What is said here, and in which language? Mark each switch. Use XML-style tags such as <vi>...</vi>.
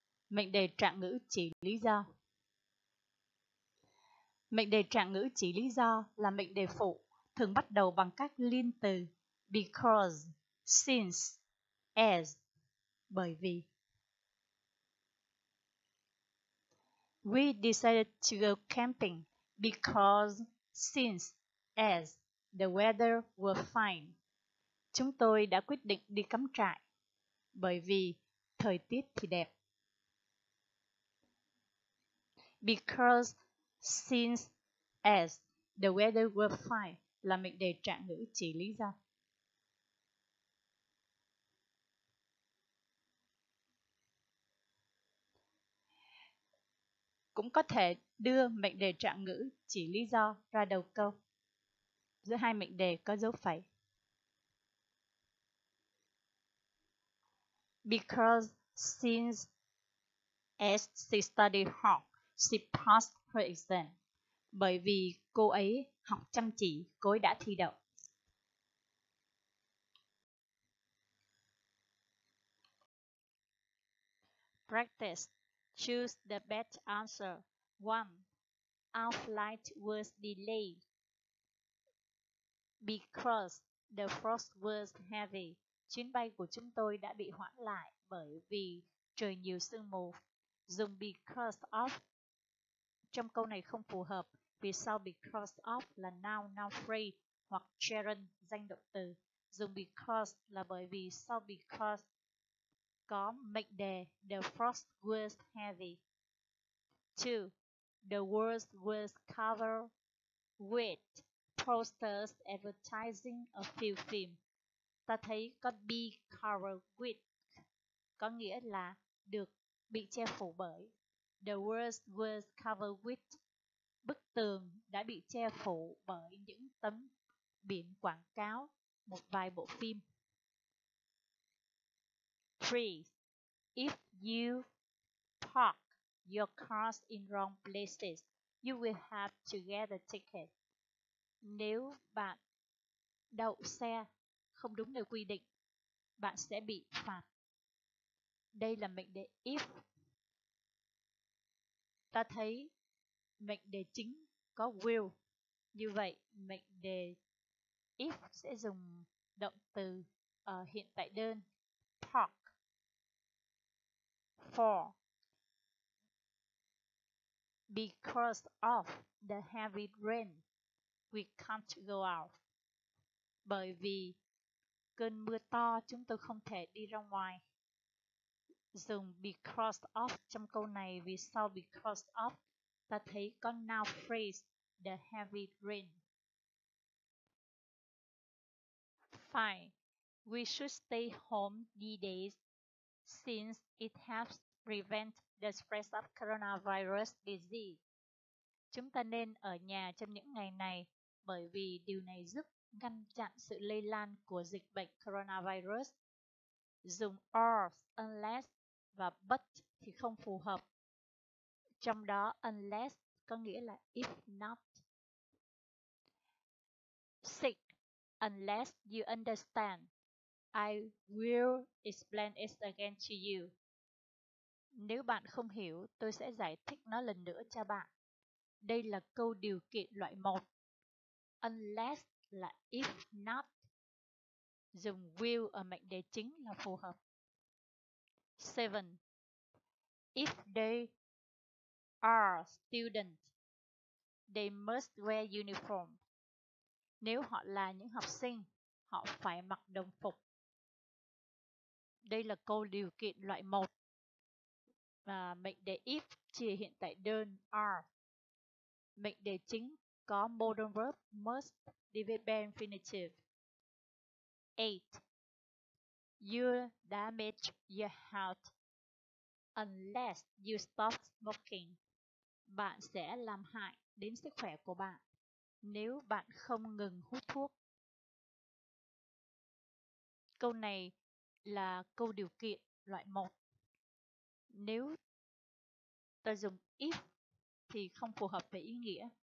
<vi>Mệnh đề trạng ngữ chỉ lý do. Mệnh đề trạng ngữ chỉ lý do là mệnh đề phụ, thường bắt đầu bằng các liên từ because, since, as, bởi vì.</vi> <en>We decided to go camping because, since, as, the weather was fine.</en> <vi>Chúng tôi đã quyết định đi cắm trại bởi vì thời tiết thì đẹp.</vi> <en>Because, since, as, the weather was fine</en> <vi>là mệnh đề trạng ngữ chỉ lý do. Cũng có thể đưa mệnh đề trạng ngữ chỉ lý do ra đầu câu. Giữa hai mệnh đề có dấu phẩy.</vi> <en>Because, since, as she studied hard, she passed her exam.</en> <vi>Bởi vì cô ấy học chăm chỉ, cô ấy đã thi đậu.</vi> <en>Practice. Choose the best answer. 1. Our flight was delayed because the frost was heavy.</en> <vi>Chuyến bay của chúng tôi đã bị hoãn lại bởi vì trời nhiều sương mù. Dùng because of trong câu này không phù hợp. Vì sao because of là noun, noun phrase hoặc gerund danh động từ. Dùng because là bởi vì sao because có mệnh đề</vi> <en>the frost was heavy. 2. The world was covered with posters advertising a few films.</en> <vi>Ta thấy có be covered with có nghĩa là được bị che phủ bởi.</vi> <en>The world was covered with.</en> <vi>Bức tường đã bị che phủ bởi những tấm biển quảng cáo một vài bộ phim.</vi> <en>3. If you park your cars in wrong places, you will have to get a ticket.</en> <vi>Nếu bạn đậu xe không đúng nơi quy định, bạn sẽ bị phạt. Đây là mệnh đề if. Ta thấy mệnh đề chính có will. Như vậy, mệnh đề if sẽ dùng động từ ở hiện tại đơn park.</vi> <en>4. Because of the heavy rain, we can't go out.</en> <vi>Bởi vì cơn mưa to, chúng tôi không thể đi ra ngoài. Dùng because of trong câu này, vì sao because of, ta thấy có noun phrase,</vi> <en>the heavy rain. 5. We should stay home these days, since it helps prevent the spread of coronavirus disease.</en> <vi>Chúng ta nên ở nhà trong những ngày này bởi vì điều này giúp ngăn chặn sự lây lan của dịch bệnh coronavirus. dùng are, unless và but thì không phù hợp. Trong đó, unless có nghĩa là</vi> <en>if not. Six, unless you understand, I will explain it again to you.</en> <vi>Nếu bạn không hiểu, tôi sẽ giải thích nó lần nữa cho bạn. Đây là câu điều kiện loại 1. Unless là</vi> <en>if not.</en> <vi>Dùng will ở mệnh đề chính là phù hợp.</vi> <en>7. If they are students, they must wear uniform.</en> <vi>Nếu họ là những học sinh, họ phải mặc đồng phục. Đây là câu điều kiện loại 1. Và mệnh đề if chia hiện tại đơn are. Mệnh đề chính có modal verb must đi với bare infinitive.</vi> <en>8. You damage your health unless you stop smoking.</en> <vi>Bạn sẽ làm hại đến sức khỏe của bạn nếu bạn không ngừng hút thuốc. Câu này là câu điều kiện loại 1. Nếu ta dùng if thì không phù hợp với ý nghĩa.</vi>